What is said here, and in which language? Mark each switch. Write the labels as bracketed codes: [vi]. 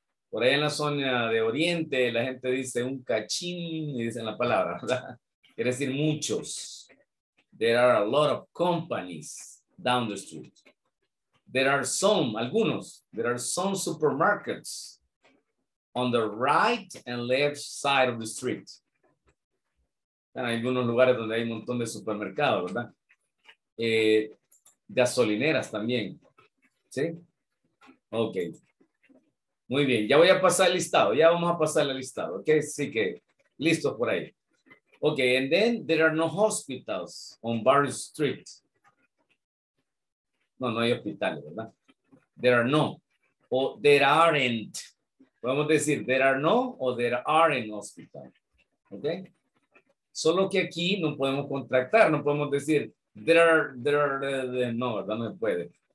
[es] Por ahí en la zona de Oriente, la gente dice un cachín y dicen la palabra, ¿verdad? Quiere decir muchos. [en] There are a lot of companies down the street. There are some, [es] algunos. [en] There are some supermarkets on the right and left side of the street. [es] En algunos lugares donde hay un montón de supermercados, ¿verdad? Gasolineras también. ¿Sí? Ok. Muy bien. Ya voy a pasar el listado. Ya vamos a pasar el listado. Ok. Así que listo por ahí. Ok. [en] And then there are no hospitals on Barry Street. [es] No, no hay hospitales, ¿verdad? [en] There are no. [es] O [en] there aren't. [es] Podemos decir [en] there are no [es] o [en] there aren't hospitals. [es] Ok. Solo que aquí no podemos contractar, no podemos decir no, ¿verdad? No se puede.